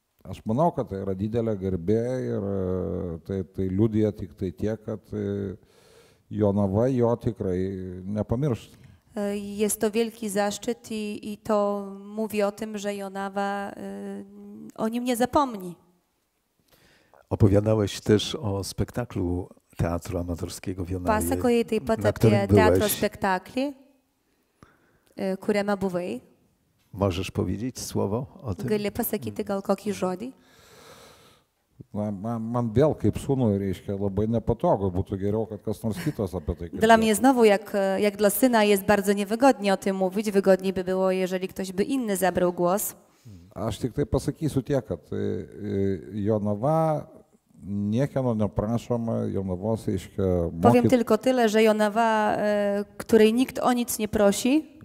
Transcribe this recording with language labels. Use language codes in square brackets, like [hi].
[lt] Aš manau, kad tai yra didelė garbė ir tai liudija tik tai tie, kad Jonava jo tikrai nepamiršta. [pl] Jest to wielki zaszczyt i to mówi o tym, że Jonava o nim nie zapomni. Opowiadałeś też o spektaklu teatru amatorskiego w Jonavie. [lt] Pasakojai taip pat apie teatro spektaklį, kuriame buvai. [pl] Możesz powiedzieć słowo o tym? [lt] Gali pasakyti gal kokį žodį? Man vėl kaip sūnui, reiškia, labai nepatogu, būtų geriau, kad kas nors kitas apie tai. [pl] Dla mnie znowu, jak dla syna jest bardzo niewygodnie o tym mówić, wygodniej by było, jeżeli ktoś by inny zabrał głos. [lt] Aš tik tai pasakysiu tiek, kad Jonava niekieno neprašoma, Jonavos, reiškia, [pl] Powiem tylko tyle, że Jonava, której nikt o nic nie prosi,